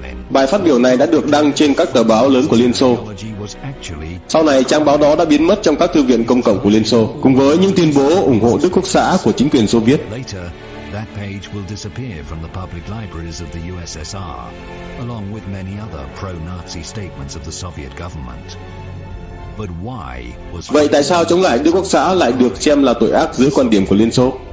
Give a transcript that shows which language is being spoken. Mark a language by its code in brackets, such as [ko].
[vi] Bài phát biểu này đã được đăng trên các tờ báo lớn của Liên Xô. Sau này, trang báo đó đã biến mất trong các thư viện công cộng của Liên Xô, cùng với những tuyên bố ủng hộ Đức Quốc xã của chính quyền Xô Viết. [en] That page will disappear from the public libraries of the USSR, along with many other pro-Nazi statements of the Soviet government. But why was... [vi] Vậy tại sao chống lại Đức Quốc xã lại được xem là tội ác dưới quan điểm của Liên Xô?